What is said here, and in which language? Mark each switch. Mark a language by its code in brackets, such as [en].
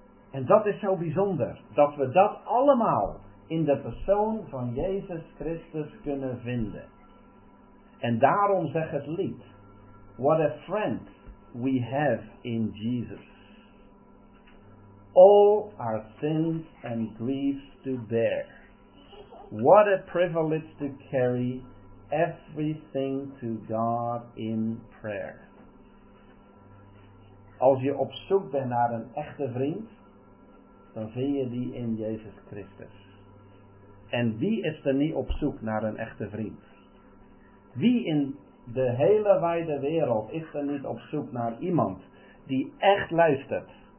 [nl] En dat is zo bijzonder, dat we dat allemaal in de persoon van Jezus Christus kunnen vinden. En daarom zegt het lied, [en] what a friend we have in Jesus. All our sins and griefs to bear. What a privilege to carry everything to God in prayer. [nl] Als je op zoek bent naar een echte vriend, dan vind je die in Jezus Christus. En wie is er niet op zoek naar een echte vriend? Wie in de hele wijde wereld is er niet op zoek naar iemand die echt luistert?